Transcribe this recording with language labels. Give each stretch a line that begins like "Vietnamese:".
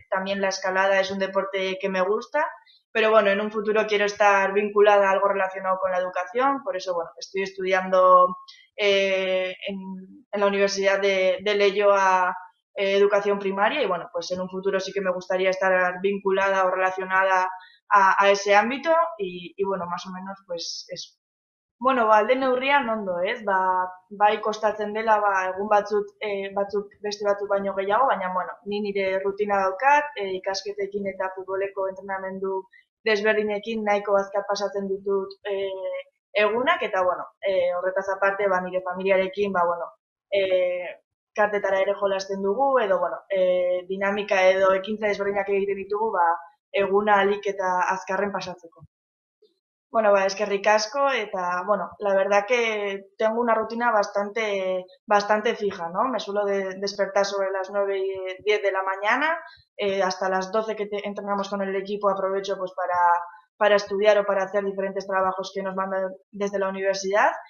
Spanish: También la escalada es un deporte que me gusta, pero bueno, en un futuro quiero estar vinculada a algo relacionado con la educación, por eso bueno, estoy estudiando en la Universidad de Leioa Educación Primaria y bueno, pues en un futuro sí que me gustaría estar vinculada o relacionada a ese ámbito y bueno, más o menos pues eso.
Basque: Bueno, alde neurrian ondo, ez, bai kostatzen dela, egun batzuk, beste batzuk baino gehiago, baina, bueno, ni nire rutina daukat, ikasketekin eta futboleko entrenamendu desberdinekin nahiko azkar pasatzen ditut egunak, eta, bueno, horretaz aparte, nire familiarekin, bueno, kartetara ere jolasten dugu, edo, bueno, dinamika edo ekintza desberdinak egiten ditugu, eguna alik eta azkarren pasatzeko.
Spanish: Bueno, es que ricasco, eta, bueno, la verdad que tengo una rutina bastante, bastante fija, ¿no? Me suelo despertar sobre las 9 y 10 de la mañana, hasta las 12 que entrenamos con el equipo aprovecho pues para estudiar o para hacer diferentes trabajos que nos mandan desde la universidad.